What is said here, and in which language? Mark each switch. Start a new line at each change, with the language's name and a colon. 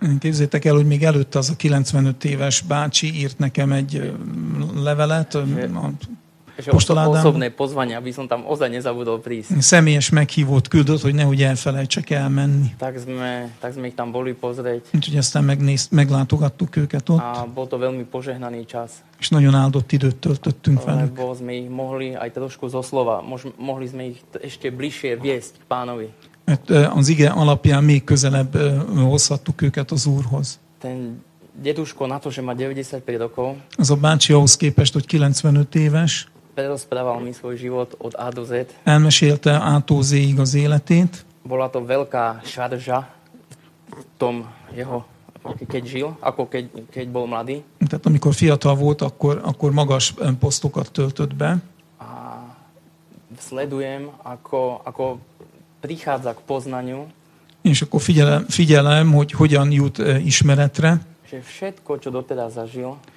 Hungarian: Képzeljétek el, hogy még előtte az a 95 éves bácsi írt nekem egy levelet.
Slovak: Osobné pozvanie, aby som tam ozaj nezabudol prísť.
Hungarian: Személyes meghívót küldött, hogy nehogy elfelejtsek elmenni.
Slovak: Tak sme ich tam boli pozrieť.
Hungarian: Úgyhogy aztán meglátogattuk őket ott.
Slovak: A bol to veľmi požehnaný čas.
Hungarian: És nagyon áldott időt töltöttünk velük.
Slovak: Lebo sme ich mohli aj trošku zo slova, mohli sme ich ešte bližšie viesť pánovi.
Hungarian: Mert az ige alapján még közelebb hozhattuk őket az Úrhoz.
Slovak: Ten deduško na to, že má 95 rokov.
Hungarian: Az a bácsi ahhoz képest, hogy 95 éves.
Slovak: Prerozprával mi svoj život od A do Z.
Hungarian: Elmesélte A-tól Z-ig az életét.
Slovak: Bola to veľká šarža v tom jeho, keď žil, ako keď bol mladý.
Hungarian: Tehát amikor fiatal volt, akkor magas posztokat töltött be.
Slovak: A sledujem, ako prichádza k poznaniu.
Hungarian: És akkor figyelem, hogy hogyan jut ismeretre.
Slovak: Že všetko, čo doteraz zažil,